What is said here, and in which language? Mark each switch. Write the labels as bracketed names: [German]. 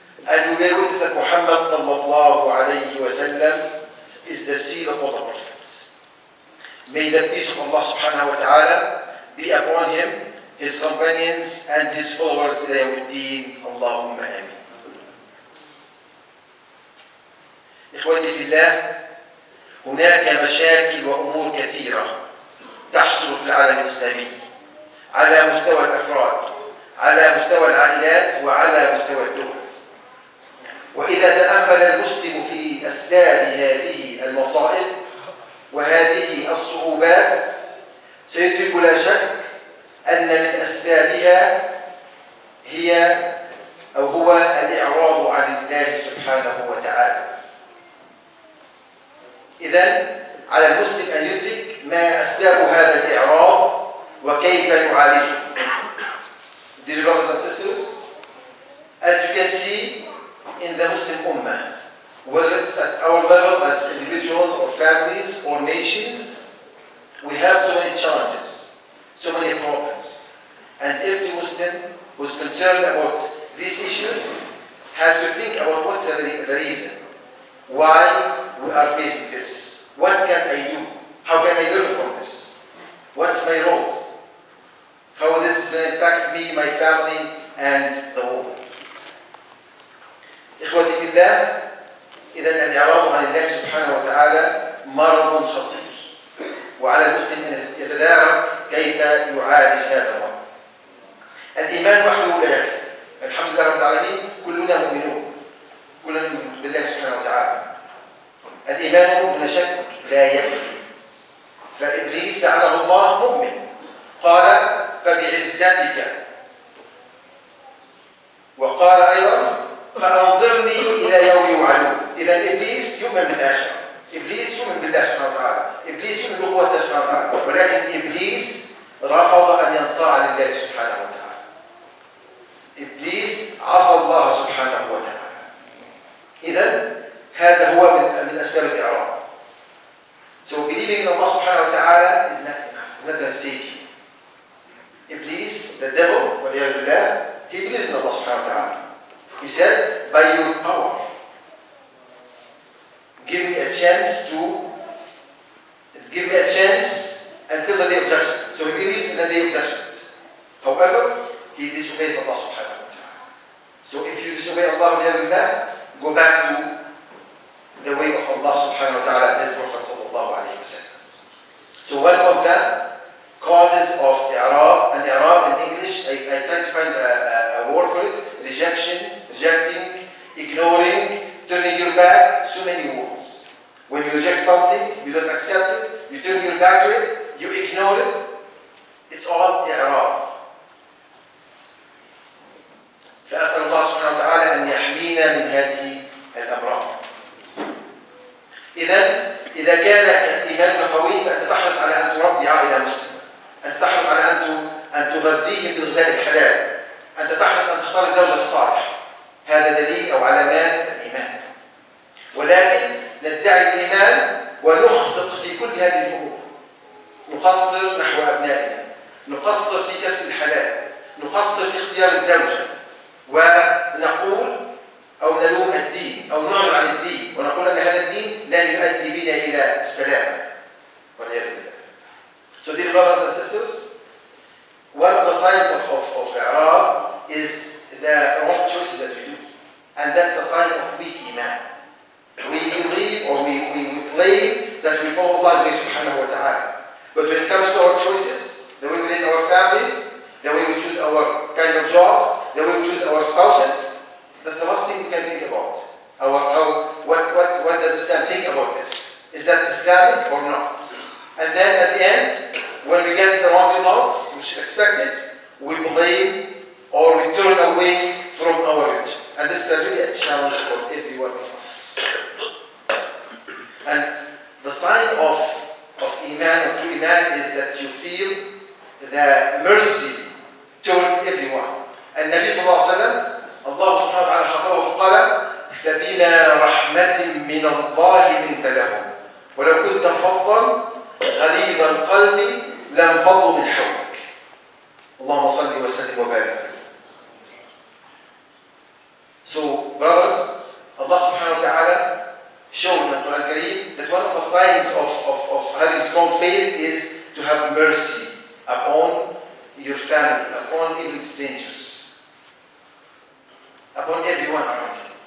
[English] And we bear witness that Muhammad sallallahu alayhi wa sallam is the seal of all the prophets. May the peace of Allah subhanahu wa ta'ala be upon him, his companions, and his followers ila yawmiddin. Allahumma ameen. [Arabic] إخواتي في الله، هناك مشاكل وأمور كثيرة تحصل في العالم الإسلامي على مستوى الأفراد، على مستوى العائلات، وعلى مستوى الدول. وإذا تأمل المسلم في أسباب هذه المصائب وهذه الصعوبات، سيدرك لا شك أن من أسبابها هي أو هو الإعراض عن الله سبحانه وتعالى. إذن على المسلم أن يدرك ما أسباب هذا الإعراض وكيف يعالجه. [English] Dear brothers and sisters, as you can see in the Muslim Ummah, whether it's at our level as individuals or families or nations, we have so many challenges, so many problems. And every Muslim who is concerned about these issues has to think about what's the reason. Why we are facing this? What can I do? How can I learn from this? What's my role? How is this going to impact me, my family, and the world? [Arabic] إخوتي في الله، إذا الإعراض عن الله سبحانه وتعالى مرض خطير، وعلى المسلم أن يتدارك كيف يعالج هذا المرض. الإيمان وحده لا يكفي. الحمد لله رب العالمين، كلنا مؤمنون. كلنا بالله سبحانه وتعالى. الإيمان بلا شك لا يكفي. فإبليس لعنه الله مؤمن، قال فبعزتك، وقال أيضا فأنظرني إلى يوم يوعدون. إذا إبليس يؤمن بالآخرة، إبليس يؤمن بالله سبحانه وتعالى، إبليس يؤمن بقوة الله سبحانه وتعالى، ولكن إبليس رفض أن ينصاع لله سبحانه وتعالى. إبليس عصى الله سبحانه وتعالى. إذا هذا هو من أسباب الإعراض. [English] So believing in Allah سبحانه وتعالى is not enough. It's not going to save you. إبليس, the devil, [Arabic] والعياذ بالله, [English] he believes in Allah سبحانه وتعالى. He said, by your power, give me a chance to, give me a chance until the day of judgment. So he believes in the day of judgment. However, he disobeys Allah سبحانه وتعالى. So if you disobey Allah, [Arabic] والعياذ بالله, [English] go back to the way of Allah subhanahu wa ta'ala and his Prophet sallallahu alayhi wa sallam. So one of the causes of i'raab, and i'raab in English, I try to find a word for it, rejection, rejecting, ignoring, turning your back, so many words. When you reject something, you don't accept it, you turn your back to it, you ignore it, it's all i'raab. [Arabic] فأسأل الله سبحانه وتعالى أن يحمينا من هذه الأمراض. إذا كان إيمانك قوي فأنت تحرص على أن تربي عائلة مسلمة، أن تحرص على أن تغذيهم بالغذاء الحلال، أن تحرص أن تختار الزوج الصالح، هذا دليل أو علامات الإيمان. ولكن ندعي الإيمان ونخفق في كل هذه الأمور، نقصر نحو أبنائنا، نقصر في كسب الحلال، نقصر في اختيار الزوجة، ونقول أو نلوم الدين أو نعرض عن الدين ونقول أن هذا الدين لن يؤدي بنا إلى السلامة والعياذ بالله. [English] So dear brothers and sisters, one of the signs of إعراض is the wrong choices that we do, and that's a sign of weak iman. we believe or we claim that we follow Allah subhanahu wa ta'ala. But when it comes to our choices, the way we raise our families, the way we choose our kind of jobs, the way we choose our spouses, that's the last thing we can think about. What does Islam think about this? Is that Islamic or not? And then at the end, when we get the wrong results, which is expected, we blame or we turn away from our religion. And this is really a challenge for every one of us. And the sign of Iman, of true Iman, is that you feel the mercy towards everyone. [Arabic] And Nabi sallallahu alayhi wa sallam, Allah subhanahu wa ta'ala, فَبِلَا رَحْمَةٍ مِّنَ اللَّهِ لِنْتَ لَهُمْ وَلَوْ كُنْتَ فَضًّا غَلِيظَ الْقَلْبِ لَمْ فَضُّ مِنْ حَوْلِكَ اللهم صلِّ وسلِّم وبارك. [English] So, brothers, Allah subhanahu wa ta'ala showed in the Quran al-Kareem that one of the signs of having strong faith is to have mercy upon your family, upon even strangers, upon everyone around you.